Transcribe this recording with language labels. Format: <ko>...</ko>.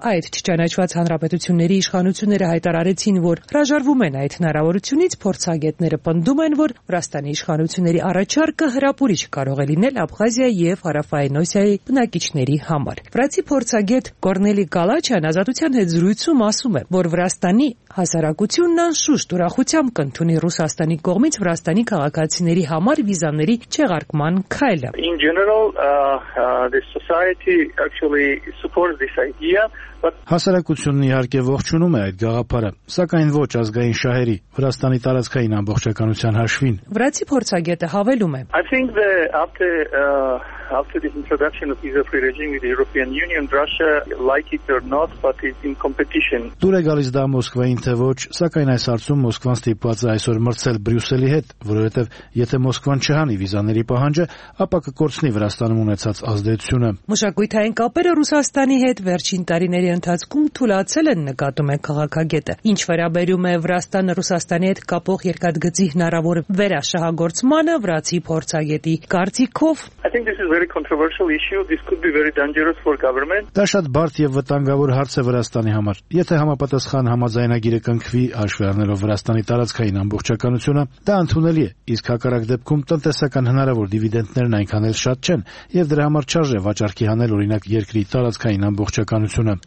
<hy>այդ չճանաչված հանրապետությունների իշխանությունները հայտարարեցին, որ հրաժարվում են այդ հնարավորությունից, փորձագետները պնդում են, որ Վրաստանի իշխանությունների առաջարկը հրապուրիչ կարող է լինել Աբխազիայի և Հարավային Օսիայի բնակիչների համար։ Վրացի փորձագետ Կորնելի Գալաչյան ազատության հետ զրույցում ասում է, որ Վրաստանի հասարակությունն անշուշտ ուրախությամբ կընդունի Ռուսաստանի կողմից Վրաստանի քաղաքացիների համար վիզաների չեղարկման քայլը։</hy> <en>In general, the society actually supports this idea.</en> <hy>Հասարակությունն իհարկե ողջունում է այդ գաղափարը, սակայն ոչ ազգային շահերի, Վրաստանի տարածքային ամբողջականության հաշվին։ Վրացի փորձագետը հավելում է.</hy> <en>I think that after the introduction of visa-free regime with the European Union, Russia, like it or not, but is in competition.</en> <hy>Դուր է գալիս դա Մոսկվային, թե ոչ, սակայն այս հարցում Մոսկվան ստիպված է այսօր մրցել Բրյուսելի հետ, որովհետև եթե Մոսկվան չհանի վիզաների պահանջը, ապա կկորցնի Վրաստանում ունեցած ազդեցությունը։ Մշակույթային կապերը Ռուսաստանի հետ վերջին տարիների ընթացքում թուլացել են, նկատում է քաղաքագետը։ Ինչ վերաբերում է Վրաստանը Ռուսաստանի հետ կապող երկաթգծի հնարավոր վերաշահագործմանը, վրացի փորձագետի կարծիքով,</hy> <en>very controversial issue, this could be very dangerous for government.</en> <hy>Դա շատ բարդ եւ վտանգավոր հարց է Վրաստանի համար։ Եթե համապատասխան համաձայնագիրը կնքվի, աշխարհ առնելով Վրաստանի տարածքային ամբողջականությունը, դա ընդունելի է, իսկ հակառակ դեպքում տնտեսական հնարավոր դիվիդենդներն այնքան էլ շատ չեն, եւ դրա համար չարժե վաճառքի հանել օրինակ երկրի տարածքային ամբողջականությունը։</hy>